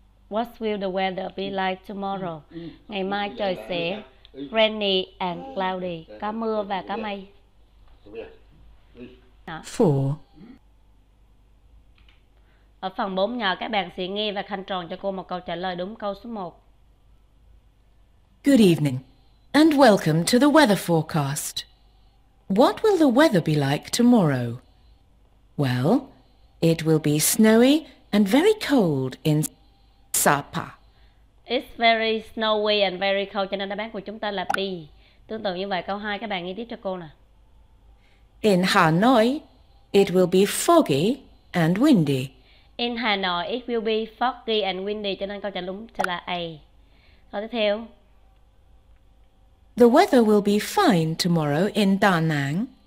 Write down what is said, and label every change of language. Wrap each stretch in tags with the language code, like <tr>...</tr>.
<en>What will the weather be like tomorrow?</en> <vi>Ngày mai trời sẽ</vi> <en>rainy and cloudy,</en> <vi>có mưa và có mây. 4. Ở phần 4 nhờ các bạn sẽ nghe và khăn tròn cho cô một câu trả lời đúng câu số 1.</vi> <en>Good evening and welcome to the weather forecast. What will the weather be like tomorrow? Well, it will be snowy and very cold in Sapa. It's very snowy and very cold,</en> <vi>cho nên đáp án của chúng ta là B. Tương tự như vậy, câu 2 các bạn nghe tiếp cho cô nè.</vi> <en>In Hanoi, it will be foggy and windy. In Hanoi, it will be foggy and windy,</en> <vi>cho nên câu trả đúng sẽ là A. Câu tiếp theo.</vi> <en>The weather will be fine tomorrow in Da Nang.</en>